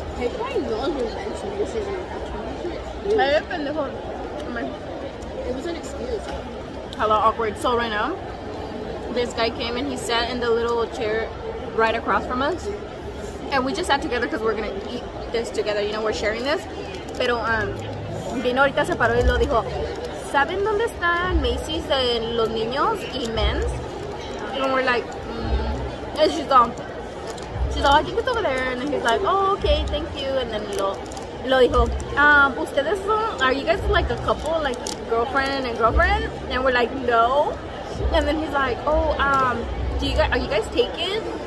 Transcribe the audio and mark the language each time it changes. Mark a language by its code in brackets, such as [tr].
[en] Hey, can I know who mentioned this? Is it an actual shit? Oh my. It was an excuse. Hello, awkward. So right now, this guy came and he sat in the little chair right across from us. And we just sat together because we're going to eat this together. You know, we're sharing this. [es] Pero, vino ahorita, se paró y lo dijo, ¿saben dónde están Macy's de los niños y men's? [en] And we're like, and she's all, I think it's over there. And then he's like, oh, okay, thank you. And then [es] lo dijo, ustedes son, [en] are you guys like a couple, like girlfriend? And we're like, no. And then he's like, are you guys taken?